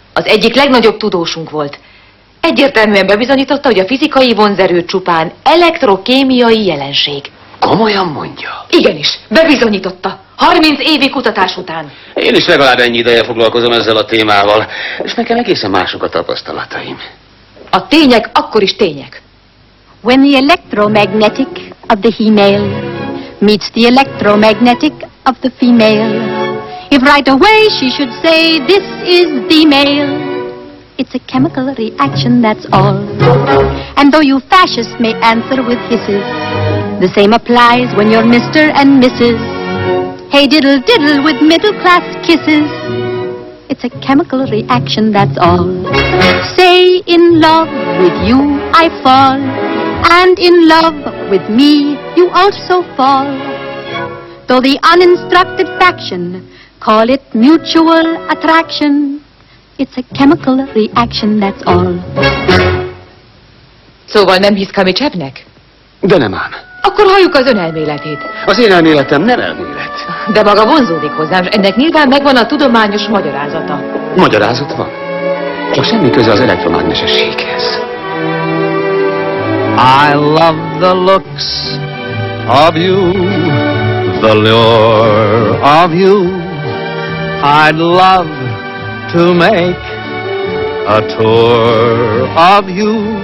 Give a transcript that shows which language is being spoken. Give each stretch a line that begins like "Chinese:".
Hungarian: Az egyik legnagyobb tudósunk volt. Egyértelműen bebizonyította, hogy a fizikai vonzerő csupán elektrokémiai jelenség. Komolyan mondja? Igenis, bebizonyította. 30 évi kutatás után. Én is legalább ennyi ideje foglalkozom ezzel a témával, és nekem egészen mások a tapasztalataim. A tények akkor is tények.
English: When the electromagnetic of the female meets the electromagnetic of the female, if right away she should say this is the male, it's a chemical reaction, that's all. And though you fascists may answer with hisses, the same applies when you're Mr. and Mrs. Hey diddle diddle with middle class kisses. It's a chemical reaction, that's all. Say in love with you I fall, and in love with me you also fall. Though the uninstructed faction call it mutual attraction, it's a chemical reaction, that's all.
Hungarian: Szóval nem hisz Kamicsevnek? De nem ám. Akkor halljuk az ön elméletét. Az én elméletem nem elmélet. De maga vonzódik hozzám, és ennek nyilván megvan a tudományos magyarázata. Magyarázat van? Csak semmi köze az elektromágnesességhez.
English: I love the looks of you, the lure of you. I'd love to make a tour of you.